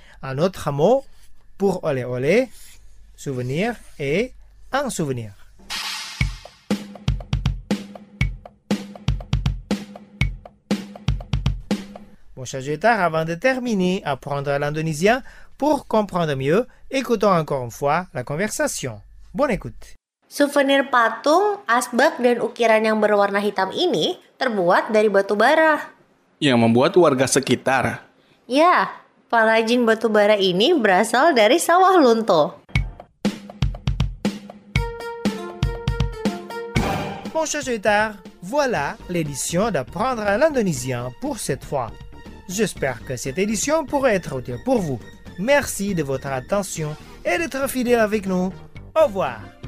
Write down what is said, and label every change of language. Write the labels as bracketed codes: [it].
[fr] Un autre mot pour oleh oleh, souvenir, est un souvenir. Bon, chers auditeurs, avant de terminer, apprendre l'indonésien pour comprendre mieux, écoutons encore une fois la conversation. Bonne écoute. [id] Souvenir patung, asbak, dan ukiran yang berwarna hitam ini terbuat dari batu bara. Yang membuat warga sekitar. Ya, perajin batu bara ini berasal dari sawah lunto. [fr] Mon cher auditeur, voilà l'édition d'apprendre l'indonésien pour cette fois. J'espère que cette édition pourrait être utile pour vous. Merci de votre attention et d'être fidèle avec nous. Au revoir.